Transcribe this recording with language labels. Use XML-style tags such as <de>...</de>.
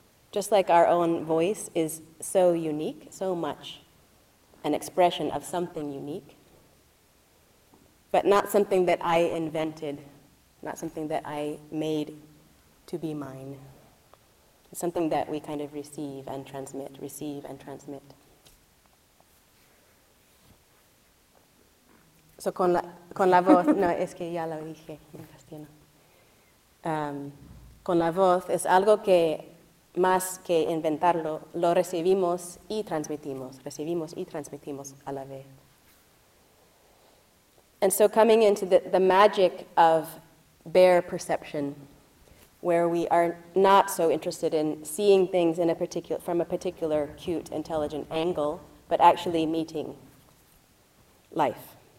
<en>Just like our own voice is so unique, so much an expression of something unique, but not something that I invented, not something that I made to be mine. It's something that we kind of receive and transmit, receive and transmit.</en> <es>So con la voz, no, es que ya lo dije en castellano. Con la voz es algo que, más que inventarlo, lo recibimos y transmitimos a la vez.</es> <en>And so coming into the magic of bare perception, where we are not so interested in seeing things in a particular, from a particular cute, intelligent angle, but actually meeting life.</en>